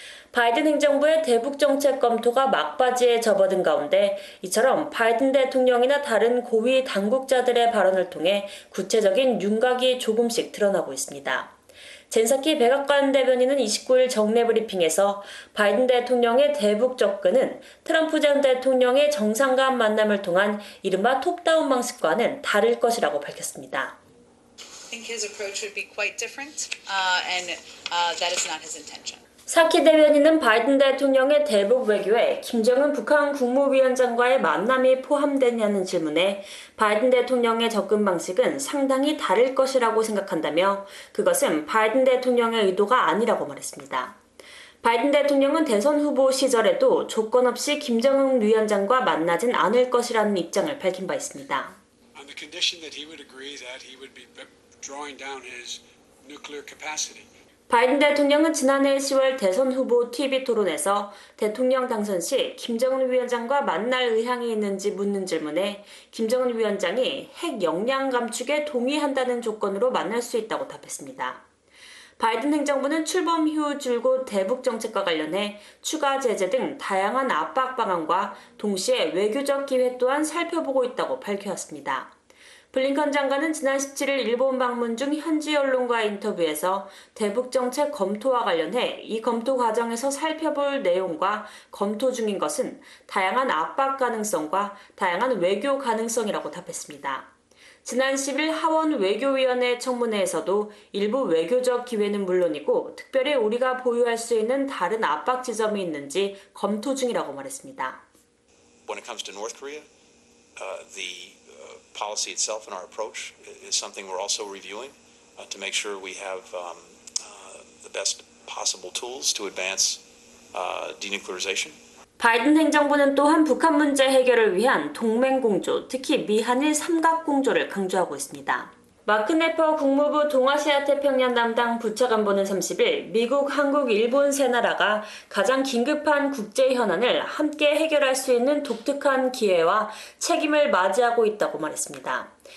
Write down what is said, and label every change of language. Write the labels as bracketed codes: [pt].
[ko] 바이든 행정부의 대북 정책 검토가 막바지에 접어든 가운데 이처럼 바이든 대통령이나 다른 고위 당국자들의 발언을 통해 구체적인 윤곽이 조금씩 드러나고 있습니다. 젠사키 백악관 대변인은 29일 정례 브리핑에서 바이든 대통령의 대북 접근은 트럼프 전 대통령의 정상 간 만남을 통한 이른바 톱다운 방식과는 다를 것이라고 밝혔습니다. [en] I think his approach would be quite different, and that is not his intention. [ko] 사키 대변인은 바이든 대통령의 대북 외교에 김정은 북한 국무위원장과의 만남이 포함되냐는 질문에 바이든 대통령의 접근 방식은 상당히 다를 것이라고 생각한다며 그것은 바이든 대통령의 의도가 아니라고 말했습니다. 바이든 대통령은 대선 후보 시절에도 조건 없이 김정은 위원장과 만나진 않을 것이라는 입장을 밝힌 바 있습니다. [en] On the condition that he would agree that he would be drawing down his nuclear capacity. [ko] 바이든 대통령은 지난해 10월 대선 후보 TV 토론에서 대통령 당선 시 김정은 위원장과 만날 의향이 있는지 묻는 질문에 김정은 위원장이 핵 역량 감축에 동의한다는 조건으로 만날 수 있다고 답했습니다. 바이든 행정부는 출범 이후 줄곧 대북 정책과 관련해 추가 제재 등 다양한 압박 방안과 동시에 외교적 기회 또한 살펴보고 있다고 밝혀왔습니다. 블링컨 장관은 지난 17일 일본 방문 중 현지 언론과 인터뷰에서 대북 정책 검토와 관련해 이 검토 과정에서 살펴볼 내용과 검토 중인 것은 다양한 압박 가능성과 다양한 외교 가능성이라고 답했습니다. 지난 10일 하원 외교위원회 청문회에서도 일부 외교적 기회는 물론이고 특별히 우리가 보유할 수 있는 다른 압박 지점이 있는지 검토 중이라고 말했습니다. [en] When it comes to North Korea, the policy itself and our approach is something we're also reviewing to make sure we have the best possible tools to advance denuclearization. [ko] 바이든 행정부는 또한 북한 문제 해결을 위한 동맹 공조, 특히 미한일 삼각 공조를 강조하고 있습니다. 마크 네퍼 국무부 동아시아태평양 담당 부차관보는 30일 미국, 한국, 일본 세 나라가 가장 긴급한 국제 현안을 함께 해결할 수 있는 독특한 기회와 책임을 맞이하고 있다고 말했습니다.